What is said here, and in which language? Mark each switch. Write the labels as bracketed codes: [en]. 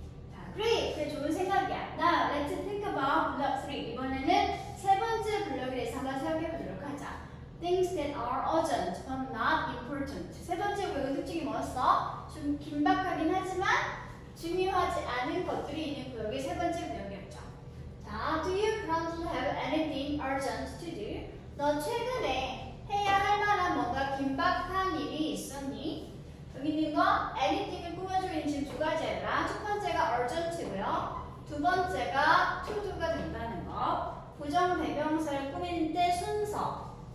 [en] 자, great. 그게 좋은 생각이야. Now, let's think about block 3. [ko] 이번에는 세 번째 블록에 대해서 한번 생각해 보도록 하자. [en] Things that are urgent but not important. [ko] 세 번째 구역의 특징이 뭐였어? 좀 긴박하긴 하지만 중요하지 않은 것들이 있는 구역이 세 번째 구역이었죠. [en] 자, Do you currently have anything urgent to do? [ko] 너 최근에 해야 할 만한 뭔가 긴박한 일이 있었니? 여기 있는 거 anything을 꾸며주고 있는 두 가지라 첫 번째가 urgent고요. 두 번째가 to do가 된다는 거. 부정 대명사를 꾸미는 때 순서.